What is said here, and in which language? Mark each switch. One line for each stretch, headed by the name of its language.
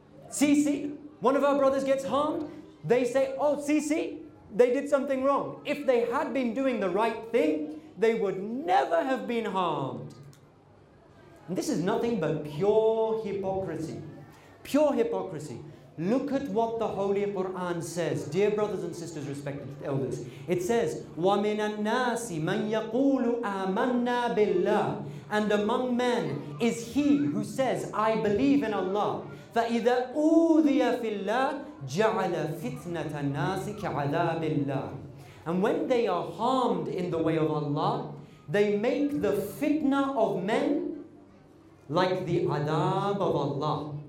English: See, one of our brothers gets harmed. They say, oh, see, they did something wrong. If they had been doing the right thing, they would never have been harmed. And this is nothing but pure hypocrisy. Pure hypocrisy. Look at what the Holy Quran says. Dear brothers and sisters, respected elders. It says,
Arabic: وَمِنَ النَّاسِ مَنْ يَقُولُ آمَنَّا بِاللَّهِ.
English: And among men is he who says, I believe in Allah.
Arabic: فَإِذَا أُوذِيَ فِي اللَّهِ جَعَلَ فِتْنَةَ النَّاسِ كَعَذَابِ اللَّهِ.
English: And when they are harmed in the way of Allah, they make the fitna of men like the adab of Allah.